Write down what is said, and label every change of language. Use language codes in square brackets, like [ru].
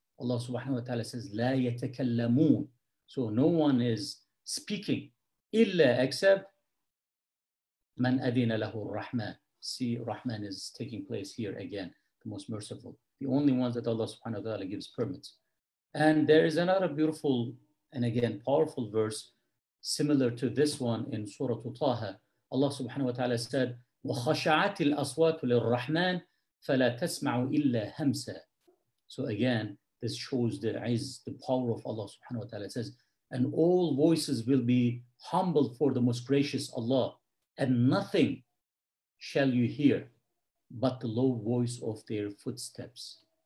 [en] Allah subhanahu wa ta'ala says, [ar] لا يتكلمون. [en] So no one is speaking, [ar] إلا [en] except [ar] من أذن له الرحمن. [en] See, Rahman is taking place here again, the most merciful. The only ones that Allah subhanahu wa ta'ala gives permits. And there is another beautiful and again powerful verse similar to this one in Surah Taha. Allah subhanahu wa ta'ala said, [ar] وَخَشَعَتِ الْأَصْوَاتُ لِلرَّحْمَنِ فَلَا تَسْمَعُ إِلَّا هَمْسَ. [en] So again, this shows the izz, the power of Allah subhanahu wa ta'ala. It says, and all voices will be humbled for the most gracious Allah, and nothing shall you hear but the low voice of their footsteps.